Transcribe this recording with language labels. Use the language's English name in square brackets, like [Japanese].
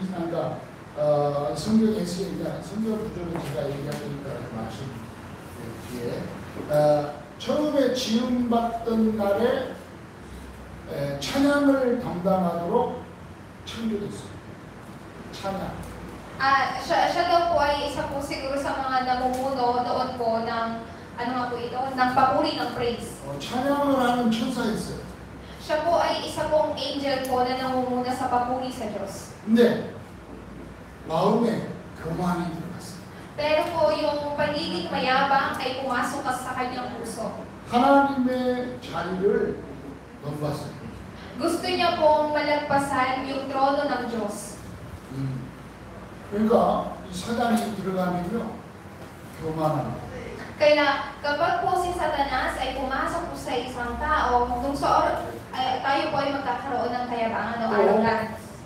[Korean] 성경 에스겔이나 성경 구절을 제가 얘기하니까 말씀 뒤에 처음에 지음받던 날에 찬양을 담당하도록 창조됐습니다. 찬양. [Filipino] 아, 샤도 po ay isa po siguro sa mga namumuno doon po ng ano nga po ito, ng papuri ng praise. [Korean] 찬양을 하는 천사였어요. [Filipino] 샤 po ay isa pong angel po na namumuno sa papuri sa Diyos. 네. [Korean] 마음에 교만이 들어갔어요. [Filipino] Pero po yung pagiging mayabang ay pumasok sa kanyang puso. [Korean] 하나님의 자리를 넘봤어요. [Filipino] Gusto niya pong malagpasan yung trono ng Diyos. [Korean] 그러니까 이 사단이 들어가면요, 교만하고. [Filipino] Kaya kapag po si Satanas ay pumasok po sa isang tao, kung sa oras tayo po ay magkakaroon ng kayabangan o arrogance.